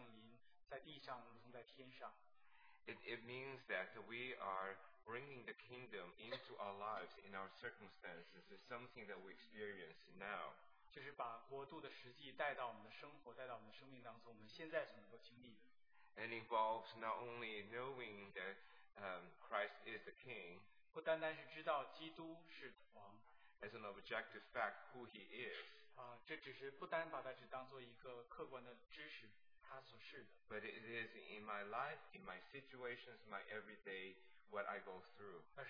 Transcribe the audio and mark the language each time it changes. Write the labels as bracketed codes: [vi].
[zh] 通过这次特会的时候，真的好像主对我讲说，好像愿你国度降临在地上，如同在天上。 [en] It means that we are bringing the kingdom into our lives in our circumstances is something that we experience now. [zh] 就是把国度的实际带到我们的生活，带到我们的生命当中，我们现在所能够经历的。 [en] And involves not only knowing that Christ is the King, [zh] 不单单是知道基督是王， [en] as an objective fact who he is, [zh] 这只是不单把它只当做一个客观的知识。 [en] But it is in my life, in my situations, my everyday, what I go through.